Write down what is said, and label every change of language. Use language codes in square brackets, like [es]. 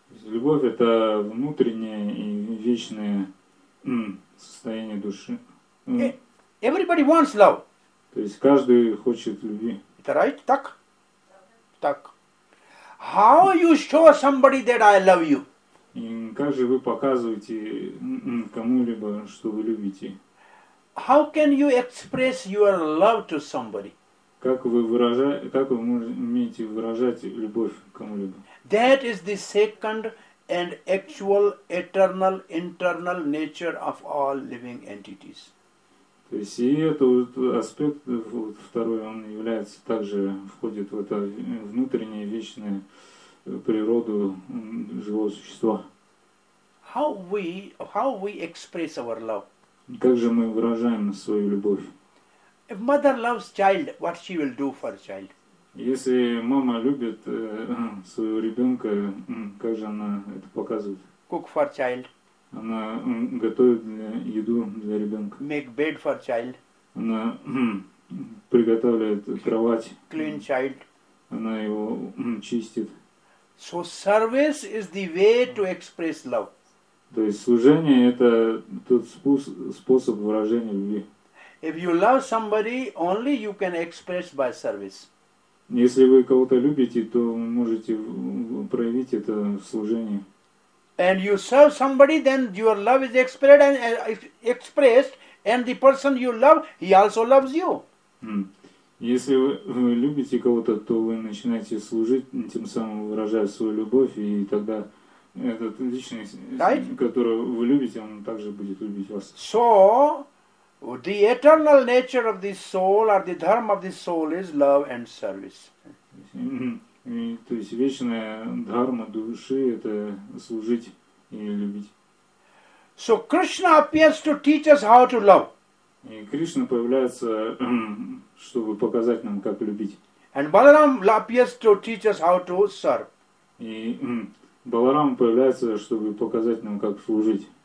[ru] Любовь это внутренняя и вечная состояние души. [en] Everybody wants love. [ru] То есть каждый хочет любви. Это [en] right? [ru] Так? Так. [en] How you show somebody that I love you? [ru] И как же вы показываете кому-либо, что вы любите? [en] How can you express your love to somebody? [ru] Как вы умеете выражать любовь кому-либо? [en] That is the second and actual eternal internal nature of all living entities. [ru] То есть и этот аспект вот, второй, он является также, входит в это внутреннее вечное природу живого существа. [en] How we express our love? [ru] Как же мы выражаем свою любовь? [en] If mother loves child, what she will do for child? [ru] Если мама любит своего ребенка, как же она это показывает? [en] Cook for child. [ru] Она готовит для еду для ребенка. [en] Make bed for child. [ru] Она приготавливает кровать. [en] Clean child. [ru] Она его чистит. [en] So service is the way to express love. [ru] То есть служение – это тот способ выражения любви. [en] If you love somebody, only you can express by service. [ru] Если вы кого-то любите, то можете проявить это в служении. [en] And you serve somebody, then your love is expressed, and the person you love, he also loves you. [ru] Если вы любите кого-то, то вы начинаете служить, тем самым выражая свою любовь, и тогда этот личность, [en] right? [ru] Которого вы любите, он также будет любить вас. [en] So, the eternal nature of the soul, or the dharma of the soul, is love and service. [ru] То есть вечная дхарма души – это служить и любить. [en] So Krishna appears to teach us how to love. [ru] И Кришна появляется, чтобы показать нам, как любить. [en] And Balaram appears to teach us how to serve. [ru] И Баларам появляется, чтобы показать нам, как служить.